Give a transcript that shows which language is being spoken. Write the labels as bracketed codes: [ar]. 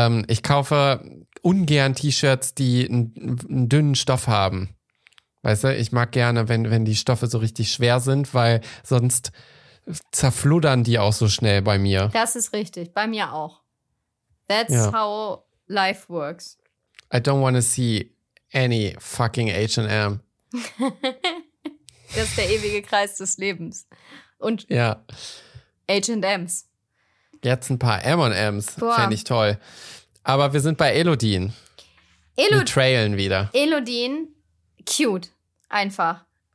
[de] Ich kaufe ungern T-Shirts, die einen dünnen Stoff haben. Weißt du, ich mag gerne, wenn die Stoffe so richtig schwer sind, weil sonst zerfluddern die auch so schnell bei mir. Das ist richtig, bei mir auch. [en] That's how life works. I don't want to see any fucking H&M. [de] Das ist der ewige Kreis des Lebens. Und ja. H&Ms. Jetzt ein paar M&Ms, fände ich toll. Aber wir sind bei Elodin. Wir trailen wieder. Elodin, cute, einfach.